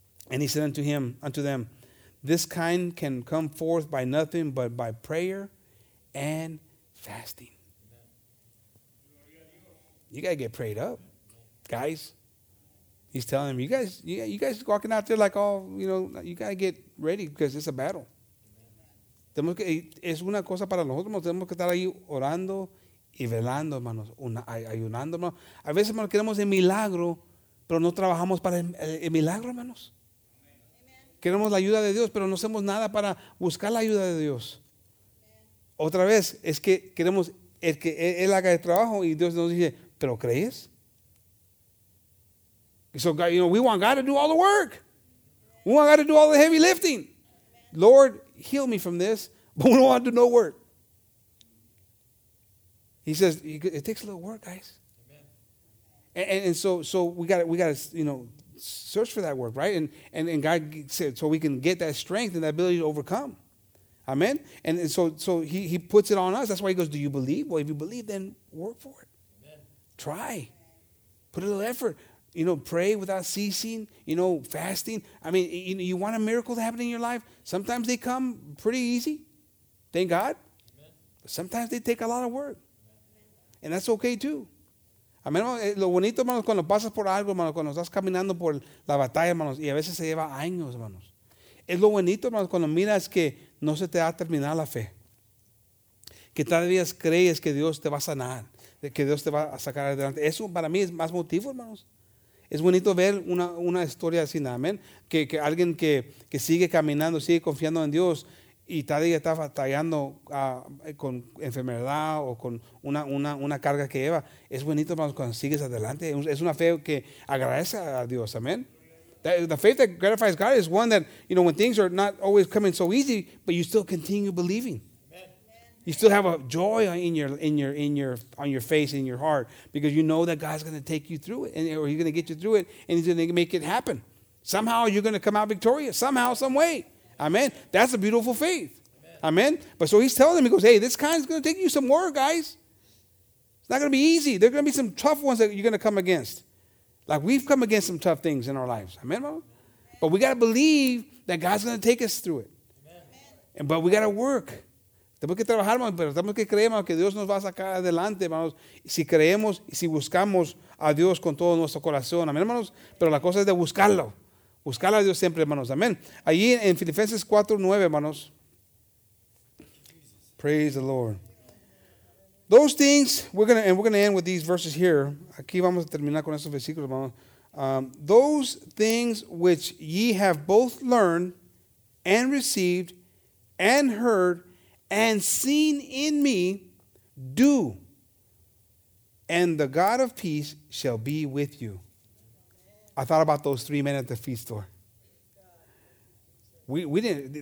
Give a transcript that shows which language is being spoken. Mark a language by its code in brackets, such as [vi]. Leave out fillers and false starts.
[en] And he said unto them, this kind can come forth by nothing but by prayer and fasting. You got to get prayed up, guys. He's telling them, you guys walking out there like all, you know, you got to get ready because it's a battle. [es] Es una cosa para nosotros, tenemos que estar ahí orando y velando, hermanos, ayunando, hermanos. A veces, hermanos, queremos el milagro, pero no trabajamos para el milagro, hermanos. Amen. Queremos la ayuda de Dios, pero no hacemos nada para buscar la ayuda de Dios. Amen. Otra vez, es que queremos que Él haga el trabajo y Dios nos dice, ¿pero crees? [en] So, God, you know, we want God to do all the work. We want God to do all the heavy lifting. Amen. Lord, heal me from this, but we don't want to do no work. He says, it takes a little work, guys. Amen. And so we got to, you know, search for that work, right? And God said, so we can get that strength and that ability to overcome. Amen? And so he puts it on us. That's why he goes, do you believe? Well, if you believe, then work for it. Amen. Try. Put a little effort. You know, pray without ceasing. You know, fasting. I mean, you want a miracle to happen in your life? Sometimes they come pretty easy. Thank God. But sometimes they take a lot of work. And that's okay, too. [es] Amén, lo bonito, hermanos, cuando pasas por algo, hermanos, cuando estás caminando por la batalla, hermanos, y a veces se lleva años, hermanos. Es lo bonito, hermanos, cuando miras que no se te ha terminado la fe. Que todavía crees que Dios te va a sanar, que Dios te va a sacar adelante. Eso para mí es más motivo, hermanos. Es bonito ver una historia así, amén. Que alguien que sigue caminando, sigue confiando en Dios y todavía está batallando con enfermedad o con una carga que lleva. Es bonito, hermanos, cuando sigues adelante. Es una fe que agradece a Dios, amén. [en] The faith that gratifies God is one that, you know, when things are not always coming so easy, but you still continue believing. Amen. You still have a joy on your face, in your heart, because you know that God's going to take you through it, or he's going to get you through it, and he's going to make it happen. Somehow you're going to come out victorious, somehow, some way. Amen. That's a beautiful faith. Amen. Amen. But so he's telling them, he goes, hey, this kind is going to take you some work, guys. It's not going to be easy. There are going to be some tough ones that you're going to come against. Like, we've come against some tough things in our lives. Amen, mama? Amen. But we got to believe that God's going to take us through it. Amen. And, but we got to work. [es] Tenemos que trabajar, hermanos, pero tenemos que creer, hermanos, que Dios nos va a sacar adelante, hermanos, si creemos y si buscamos a Dios con todo nuestro corazón. Amén, hermanos. Pero la cosa es de buscarlo. Buscar a Dios siempre, hermanos. Amén. Allí en Filipenses 4:9, hermanos. [en] Praise the Lord. Those things, we're gonna end with these verses here. [es] Aquí vamos a terminar con estos versículos, hermanos. [en] Those things which ye have both learned and received and heard and seen in me, do, and the God of peace shall be with you. I thought about those 3 men at the feed store. We didn't.